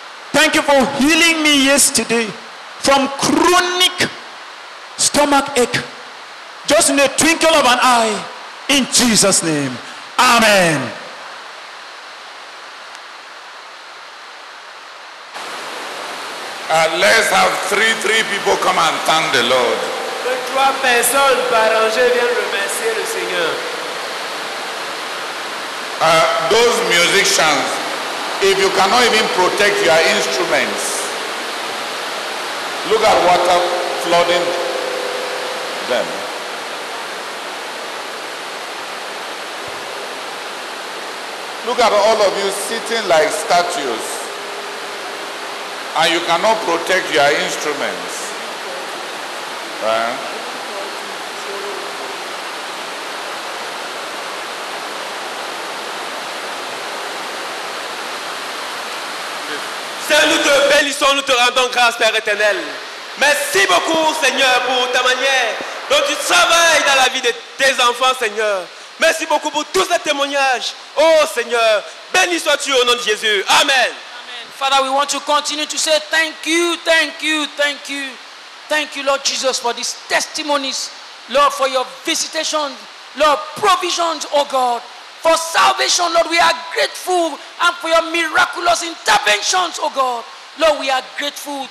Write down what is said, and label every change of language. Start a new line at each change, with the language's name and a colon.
English: Thank you for healing me yesterday from chronic stomach ache, just in the twinkle of an eye, in Jesus' name. Amen. Let's have three people come and thank the Lord.
French: Trois personnes par rangée viennent remercier le Seigneur.
English: Those musicians, if you cannot even protect your instruments, look at water flooding them. Look at all of you sitting like statues. And you cannot protect your instruments.
French: Seigneur, nous te bénissons, nous te rendons grâce, Père éternel. Merci beaucoup, Seigneur, pour ta manière dont tu travailles dans la vie de tes enfants, Seigneur. Merci beaucoup pour tous ces témoignages. Oh, Seigneur, béni sois-tu au nom de Jésus. Amen.
English: Father, we want to continue to say thank you, thank you, thank you. Thank you, Lord Jesus, for these testimonies. Lord, for your visitation. Lord, provisions, oh God. For salvation, Lord, we are grateful. And for your miraculous interventions, oh God. Lord, we are grateful.